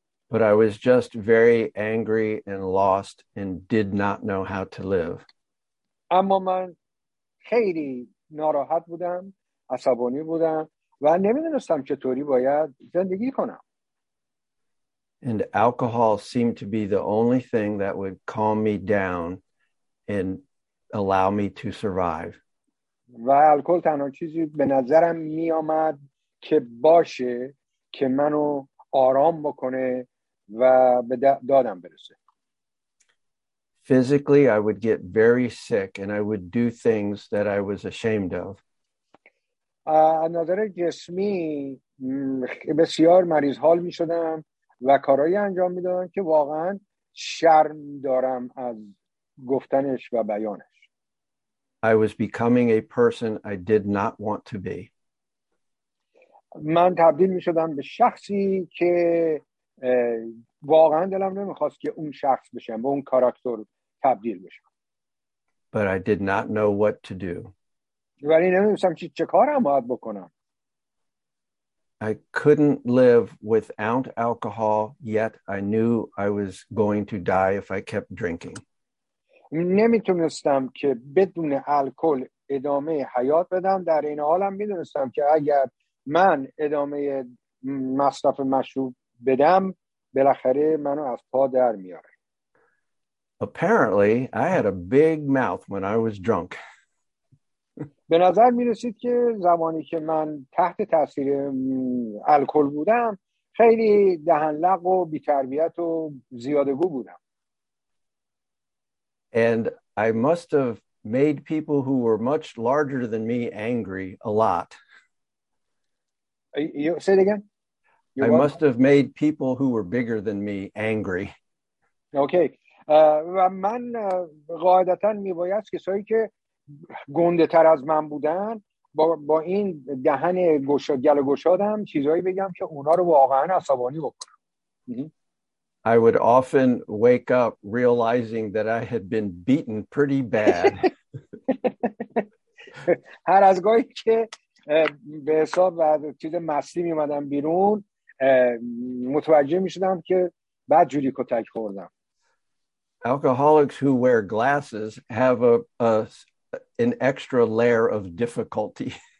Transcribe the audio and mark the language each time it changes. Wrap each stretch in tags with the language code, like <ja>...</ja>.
<en>But I was just very angry and lost and did not know how to live.</en> <fa>اما من خیلی ناراحت بودم، عصبانی بودم و نمیدونستم چطوری باید زندگی کنم.</fa> <en>And alcohol seemed to be the only thing that would calm me down and allow me to survive.</en> <fa>و الکل تنها چیزی به نظرم می آمد که باشه که منو آرام بکنه و به دادم برسه.</fa> <en>Physically, I would get very sick and I would do things that I was ashamed of.</en> <fa>از نظر جسمی بسیار مریض حال می شدم و کارهایی انجام می دادم که واقعا شرم دارم از گفتنش و بیانش.</fa> <en>I was becoming a person I did not want to be.</en> <fa>من تبدیل می شدم به شخصی که واقعا دلم نمی خواست که اون شخص بشم، به اون کاراکتر تبدیل بشم.</fa> <en>But I did not know what to do.</en> <fa>ولی نمی دونستم چه کارم باید بکنم.</fa> <en>I couldn't live without alcohol, yet I knew I was going to die if I kept drinking.</en> <fa>نمیتونستم که بدون الکل ادامه حیات بدم، در این حالم میدونستم که اگر من ادامه مصرف مشروب بدم بالاخره منو از پا در میاره.</fa> <en>Apparently I had a big mouth when I was drunk.</en> <fa>به نظر میرسید که زمانی که من تحت تاثیر الکل بودم خیلی دهن لق و بی تربیت و زیادگو بودم.</fa> <en>And I must have made people who were much larger than me angry a lot. Say it again. I must have made people who were bigger than me angry. Okay.</en> <fa>من قاعدتاً میبایست کسایی که گنده تر از من بودن با این دهن گل گشادم چیزایی بگم که اونا رو واقعاً عصبانی بکنم.</fa> <en>I would often wake up realizing that I had been beaten pretty bad.</en> <fa>هر از گاهی که به حساب بعد چیز مستی میمدم بیرون متوجه میشدم که بعد جوری کتک خوردم.</fa> <en>Alcoholics who wear glasses have an extra layer of difficulty.</en>